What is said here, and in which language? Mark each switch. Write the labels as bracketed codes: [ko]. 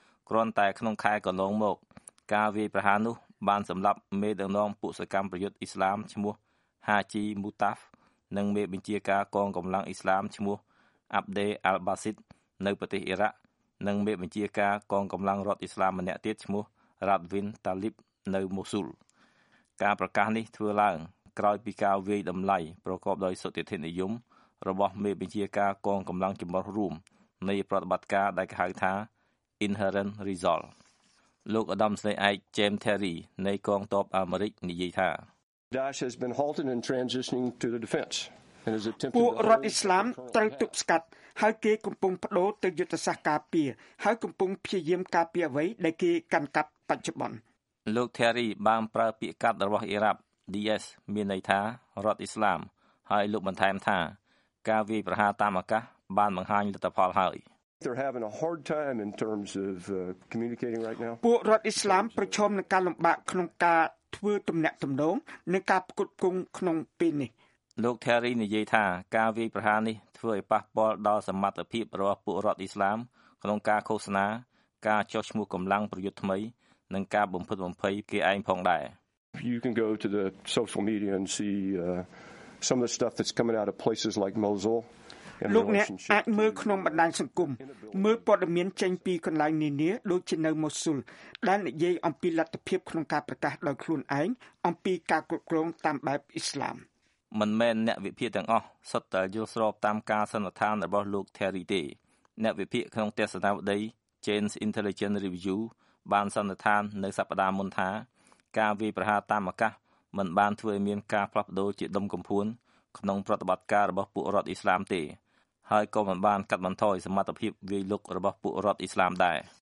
[km] គ្រាន់តែក្នុងខែកន្លងមកការវាយប្រហារនោះបានសម្លាប់មេដឹកនាំពួកសកម្មប្រយុទ្ធអ៊ីស្លាមឈ្មោះ Haji Mutaf និងមេបញ្ជាការកងកម្លាំងអ៊ីស្លាមឈ្មោះ Abde Al-Basit នៅប្រទេសអ៊ីរ៉ាក់និងមេបញ្ជាការកងកម្លាំងរដ្ឋអ៊ីស្លាមម្នាក់ទៀតឈ្មោះ Radwin Talib នៅ Mosul ការប្រកាសនេះធ្វើឡើង ក្រោយពីការវាយដំឡៃប្រកបដោយសុតិធិនិយមរបស់មេបញ្ជាការកងកម្លាំងចម្រុះរួមនៃប្រតិបត្តិការដែលគេហៅថា Inherent Resolve លោកអដាមស្លេឯក James Terry នៃកងទ័ពអាមេរិកនិយាយថា [en] Daesh has been halted and transitioning to the defense and is attempting [km] ពួករដ្ឋអ៊ីស្លាមត្រូវទប់ស្កាត់ហើយគេកំពុងបដូរទៅយុទ្ធសាស្ត្រការពារហើយកំពុងព្យាយាមការពារអ្វីដែលគេកាន់កាប់បច្ចុប្បន្ន លោក Terry បានប្រើពាក្យកាត់របស់អ៊ីរ៉ាប់ DS មានន័យថារដ្ឋអ៊ីស្លាមហើយលោកបន្ថែមថាការវាយប្រហារតាមអាកាសបានបង្ហាញលទ្ធផលហើយ [en] They're having a hard time in terms of communicating right now. [km] ពួករដ្ឋអ៊ីស្លាមប្រឈមនឹងការលំបាកក្នុងការធ្វើទំនាក់ទំនងនិងការផ្គត់ផ្គង់ក្នុងពេលនេះ ។លោក Terry និយាយថាការវាយប្រហារនេះធ្វើឲ្យប៉ះពាល់ដល់សមត្ថភាពរបស់ពួករដ្ឋអ៊ីស្លាមក្នុងការឃោសនាការចោះឈ្មោះកម្លាំងប្រយុទ្ធថ្មីនិងការបំផិតបំភ័យគេឯងផងដែរ [en] ។ You can go to the social media and see some of the stuff that's coming out of places like Mosul. [km] លោកអ្នកអាចមើលក្នុងបណ្ដាញសង្គមមើលព័ត៌មានចេញពីកន្លែងនានាដូចជានៅម៉ូស៊ូលដែលនិយាយអំពីលទ្ធភាពក្នុងការប្រកាសដោយខ្លួនឯងអំពីការគ្រប់គ្រងតាមបែបអ៊ីស្លាម មិនមែនអ្នកវិភាគទាំងអស់សុទ្ធតែយល់ស្របតាមការសន្និដ្ឋានរបស់លោក Terry ទេអ្នកវិភាគក្នុងទស្សនវិស័យ Jane's Intelligence Review បានសន្និដ្ឋាននៅសប្ដាហ៍មុនថាការវាយប្រហារតាមអាកាសមិនបានធ្វើឲ្យមានការផ្លាស់ប្ដូរជាដុំកំភួនក្នុងប្រតិបត្តិការរបស់ពួករដ្ឋអ៊ីស្លាមទេហើយក៏មិនបានកាត់បន្ថយសមត្ថភាពវាយលុករបស់ពួករដ្ឋអ៊ីស្លាមដែរ